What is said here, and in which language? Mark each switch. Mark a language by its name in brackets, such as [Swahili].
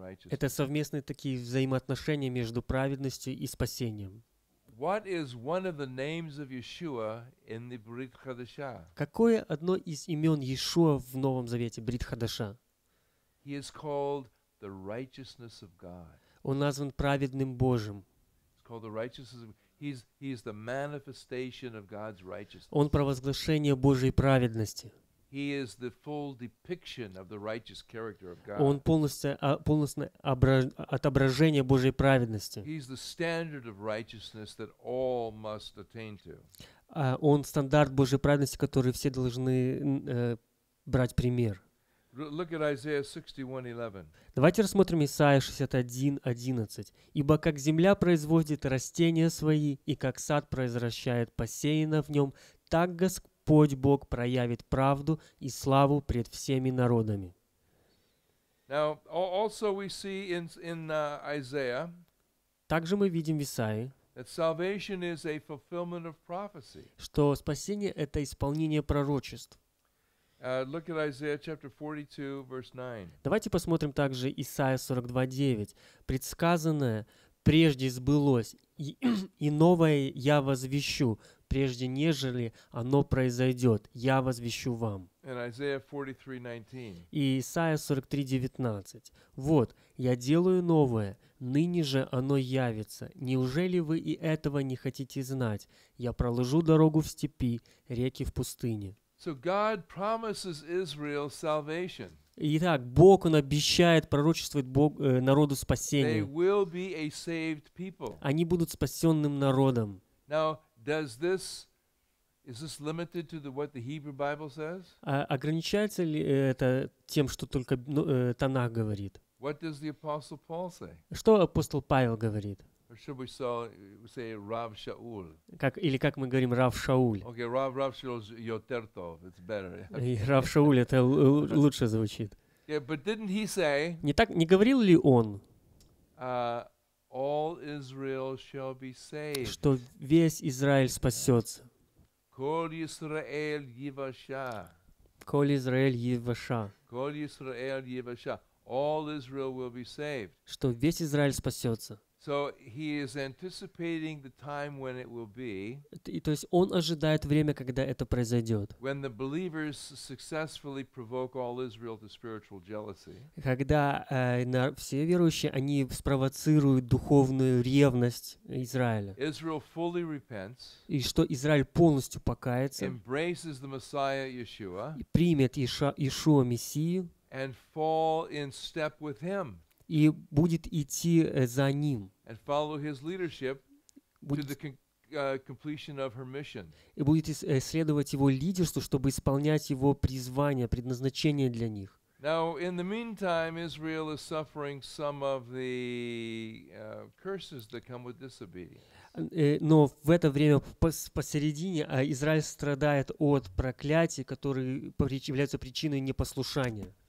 [Russian] Это совместные такие взаимоотношения между праведностью и спасением. [English] What is one of the names of Yeshua in the Brit Chadasha? [Russian] Какое одно из имен Иешуа в Новом Завете, Брит Хадаша? [English] He is called the righteousness of God. [Russian] Он назван праведным Божьим. [English] He's called the righteousness of God. He's the manifestation of God's righteousness. [Russian] Он провозглашение Божьей праведности. [English] He is the full depiction of the righteous character of God. [Russian] Он полностью отображение Божьей праведности. [English] He is the standard of righteousness that all must attain to. [Russian] Он стандарт Божьей праведности, который все должны брать пример. [English] Look at Isaiah 61:11. [Russian] Давайте рассмотрим Исаия 61:11. Ибо как земля производит растения свои, и как сад произращает посеянное в нем, так Господь Бог проявит правду и славу пред всеми народами. [English] Now, also we see in Isaiah. [Russian] Также мы видим в Исаии. [English] That salvation is a fulfillment of prophecy. [Russian] Что спасение это исполнение пророчеств. [English] Look at Isaiah chapter 42, verse 9. [Russian] Давайте посмотрим также Исаия 42:9. Предсказанное прежде сбылось, и новое я возвещу, прежде нежели оно произойдет, я возвещу вам. [English] And Isaiah 43:19. [Russian] И Исаия 43:19. Вот, я делаю новое, ныне же оно явится. Неужели вы и этого не хотите знать? Я проложу дорогу в степи, реки в пустыне. [English] So God promises Israel salvation. [Russian] Итак, Бог, Он обещает, пророчествует Бог, народу спасение. [English] They will be a saved people. [Russian] Они будут спасенным народом. [English] Now, does this, is this limited to the, what the Hebrew Bible says? [Russian] Ограничается ли это тем, что только Танах говорит? [English] What does the Apostle Paul say? [Russian] Что апостол Павел говорит? [English] Or should we say Rav Shaul? [Russian] Как, или как мы говорим Рав Шауль? [English] Okay, Rav Shaul is [Hebrew] yoter tov. [English] It's better. [Russian] И Рав Шауль это лучше звучит. [English] Yeah, but didn't he say? [Russian] Не так, не говорил ли он? [English] All Israel shall be saved. [Russian] Что весь Израиль спасется. [Hebrew] Кол Израиль Еваша. Кол Израиль Еваша. Кол Израиль Еваша. [English] All Israel will be saved. [Russian] Что весь Израиль спасется. [English] So he is anticipating the time when it will be. [Russian] То есть он ожидает время, когда это произойдет. [English] When the believers successfully provoke all Israel to spiritual jealousy. [Russian] Когда все верующие они спровоцируют духовную ревность Израиля. [English] Israel fully repents. [Russian] И что Израиль полностью покается. [English] Embraces the Messiah Yeshua. [Russian] И примет Иешуа Мессию. [English] And fall in step with him. [Russian] И будет идти за ним. [English] And follow his leadership to the completion of her mission. [Russian] И будет следовать его лидерству, чтобы исполнять его призвание, предназначение для них. [English] Now, in the meantime, Israel is suffering some of the curses that come with disobedience. [Russian] Но в это время посередине Израиль страдает от проклятий, которые являются причиной непослушания.